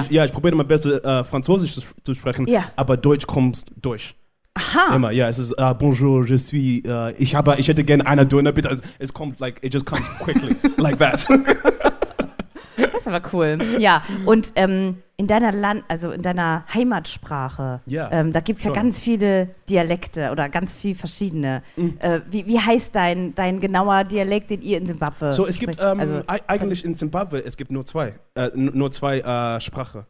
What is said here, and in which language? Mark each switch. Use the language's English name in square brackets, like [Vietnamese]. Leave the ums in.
[German] ich, ja, ich probiere mein Bestes, äh, Französisch zu, zu sprechen, Ja. aber Deutsch kommt durch. Aha. Immer, ja, es ist äh, [French] Bonjour, je suis, [German] äh, ich habe, ich hätte gerne eine Döner, bitte. [English] Also, es kommt like, it just comes quickly, like that. [German] Das ist aber cool. Ja, und ähm, in deiner Land, also in deiner Heimatsprache, Ja, ähm, da gibt es ja schon. ganz viele Dialekte oder ganz viel verschiedene. Äh, wie, wie heißt dein, dein genauer Dialekt, den ihr in Simbabwe So, es gibt sprecht? ähm, also, ei- eigentlich in Zimbabwe, es gibt nur zwei, äh, n- nur zwei äh, Sprachen.